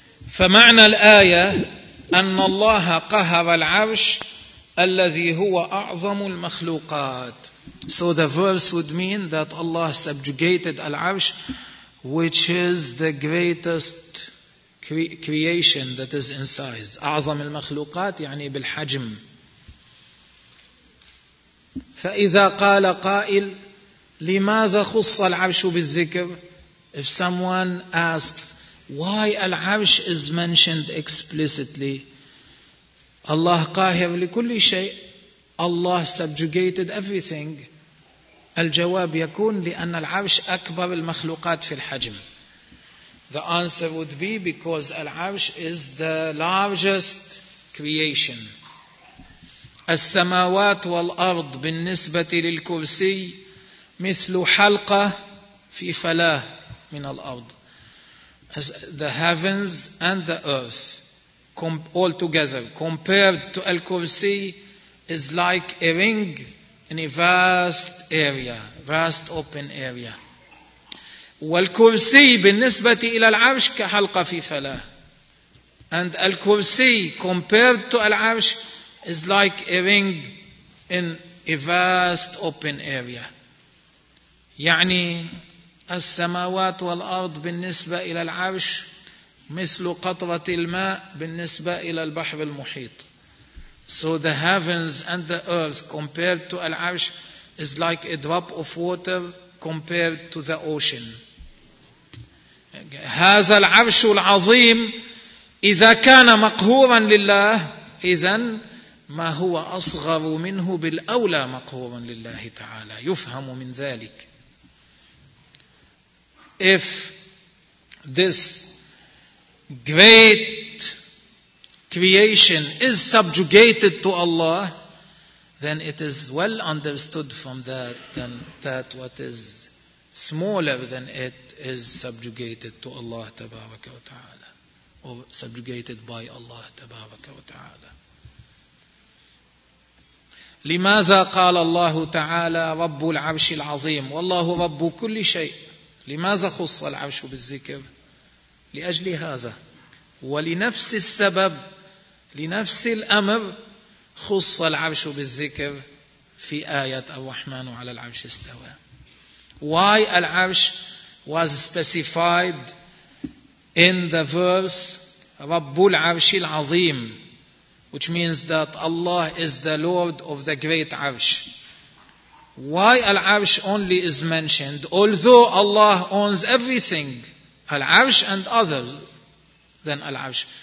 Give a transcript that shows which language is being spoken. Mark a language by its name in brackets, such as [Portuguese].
[Arabic] فمعنى الآية أن الله قهر العرش الذي هو أعظم المخلوقات. [English] So the verse would mean that Allah subjugated al-Arsh, which is the greatest creation that is in size. [Arabic] أعظم المخلوقات يعني بالحجم. فإذا قال قائل لماذا خص العرش بالذكر؟ [English] If someone asks why al-Arsh is mentioned explicitly, Allah [Arabic] قاهر لكل شيء. [English] Allah subjugated everything. [Arabic] الجواب يكون لأن العرش أكبر المخلوقات في الحجم. [English] The answer would be because العرش is the largest creation. [Arabic] السماوات والأرض بالنسبة للكرسي مثل حلقة في فلاة من الأرض. [English] As the heavens and the earth all together compared to Al-Kursi is like a ring in a vast area, vast open area. [Arabic] وَالْكُرْسِي بِالنِّسْبَةِ إِلَى الْعَرْشِ كَحَلْقَ فِي فَلَاهِ. [English] And Al-Kursi compared to Al-Arsh is like a ring in a vast open area. [Arabic] يعني السماوات والأرض بالنسبة إلى العرش مثل قطرة الماء بالنسبة إلى البحر المحيط. [English] So the heavens and the earth compared to العرش is like a drop of water compared to the ocean. [Arabic] هذا العرش العظيم إذا كان مقهورا لله إذن ما هو أصغر منه بالأولى مقهورا لله تعالى. يفهم من ذلك. [English] If this great creation is subjugated to Allah, then it is well understood from that what is smaller than it is subjugated to Allah tabaraka wa ta'ala, or subjugated by Allah tabaraka wa ta'ala. [Arabic] لماذا قال الله تعالى رب العرش العظيم والله رب كل شيء؟ لماذا خص العرش بالذكر؟ لأجل هذا. ولنفس السبب، لنفس الأمر، خص العرش بالذكر في آية الرحمن على العرش استوى. [English] Why العرش was specified in the verse [Arabic] رب العرش العظيم، [English] which means that Allah is the Lord of the great عرش. Why العرش only is mentioned, although Allah owns everything, العرش and others than العرش.